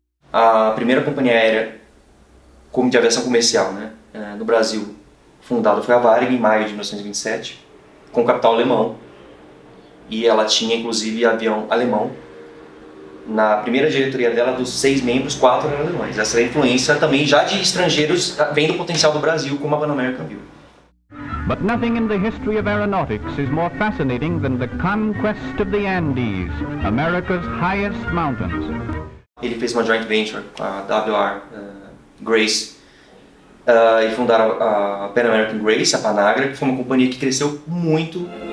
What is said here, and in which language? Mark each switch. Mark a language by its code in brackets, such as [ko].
[pt] A primeira companhia aérea como de aviação comercial, né, no Brasil, fundada foi a Varig em maio de 1927, com capital alemão. E ela tinha, inclusive, avião alemão. Na primeira diretoria dela, dos seis membros, quatro eram alemães. Essa era a influência também já de estrangeiros vendo o potencial do Brasil, como a Pan American viu. [en] But nothing in the history of aeronautics is more fascinating than the conquest of the Andes, America's highest mountains. [pt] Ele fez uma joint venture com a WR Grace e fundaram a Pan American Grace, a Panagra, que foi uma companhia que cresceu muito.